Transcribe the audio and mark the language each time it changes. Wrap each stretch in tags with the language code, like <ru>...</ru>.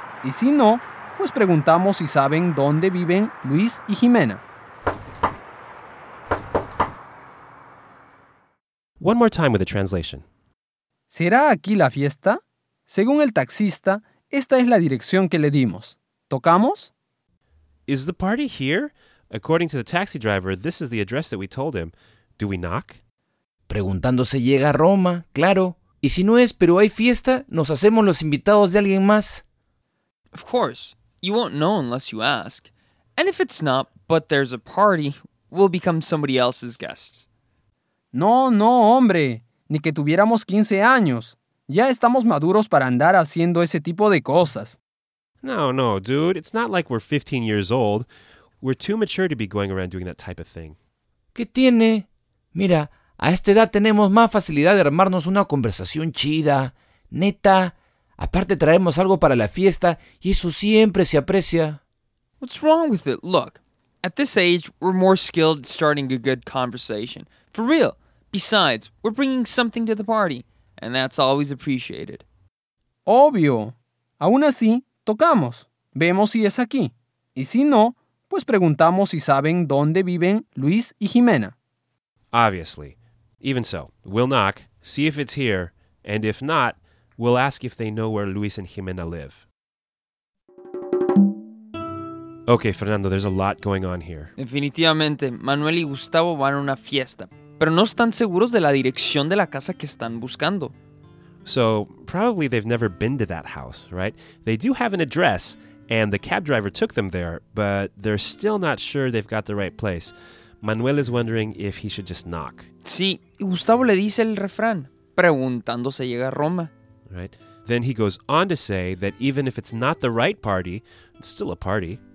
<es>Y si no, pues preguntamos si saben dónde viven Luis y Jimena.</es> <en>One more time with the translation.</en> <es>¿Será aquí la fiesta? Según el taxista, esta es la dirección que le dimos. ¿Tocamos?</es> <en>Is the party here? According to the taxi driver, this is the address that we told him. Do we knock?</en> <es>Preguntándose llega a Roma, claro. Y si no es, pero hay fiesta, nos hacemos los invitados de alguien más.</es> <en>Of course. You won't know unless you ask. And if it's not, but there's a party, we'll become somebody else's guests.</en> <es>No, no, hombre. Ni que tuviéramos 15 años. Ya estamos maduros para andar haciendo ese tipo de cosas.</es> <en>No, no, dude. It's not like we're 15 years old. We're too mature to be going around doing that type of thing.</en> <es>¿Qué tiene? Mira, a esta edad tenemos más facilidad de armarnos una conversación chida. Neta. Aparte traemos algo para la fiesta y eso siempre se aprecia.</es> <en>What's wrong with it? Look, at this age, we're more skilled at starting a good conversation. For real. Besides, we're bringing something to the party. And that's always appreciated.</en> <es>Obvio. Aún así, tocamos. Vemos si es aquí. Y si no, pues preguntamos si saben dónde viven Luis y Jimena.</es> <en>Obviously. Even so, we'll knock, see if it's here, and if not, we'll ask if they know where Luis and Jimena live. Okay, Fernando, there's a lot going on here.</en> <es>Definitivamente, Manuel y Gustavo van a una fiesta, pero no están seguros de la dirección de la casa que están buscando.</es> <en>So, probably they've never been to that house, right? They do have an address, and the cab driver took them there, but they're still not sure they've got the right place. Manuel is wondering if he should just knock.</en> <es>Sí, y Gustavo le dice el refrán, preguntándose llega a Roma.</es> <en>Right. Then he goes on to say that even if it's not the right party, it's still a party.</en>